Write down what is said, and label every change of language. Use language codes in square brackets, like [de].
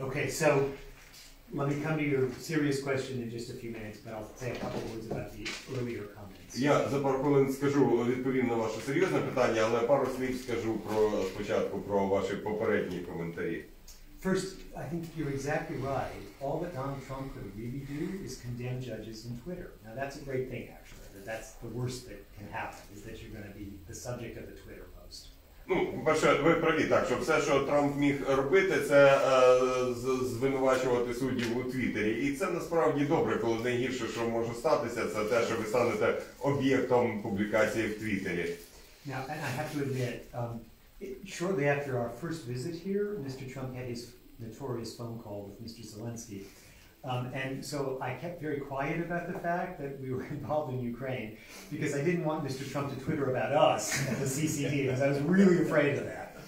[en] Okay, so let me come to your serious question in just a few minutes, but I'll say a couple words about the earlier comments. [uk] Я за пару хвилин скажу, відповім на ваше серйозне питання, але пару слів скажу про спочатку про ваші попередні коментарі. [en] First, I think you're exactly right. All that Donald Trump could really do is condemn judges on Twitter. Now, that's a great thing, actually. That's the worst that can happen, is that you're going to be the subject of a Twitter post. [uk] Ну, по-перше, ви праві, так, що все, що Трамп міг робити, це звинувачувати суддів у Твіттері. І це насправді добре, коли найгірше, що може статися, це те, що ви станете об'єктом публікації в Твіттері. [en] Now, and I have to admit, shortly after our first visit here, Mr. Trump had his notorious phone call with Mr. Zelensky. And so I kept very quiet about the fact that we were involved in Ukraine because I didn't want Mr. Trump to Twitter about us at the CCD because I was really afraid of that.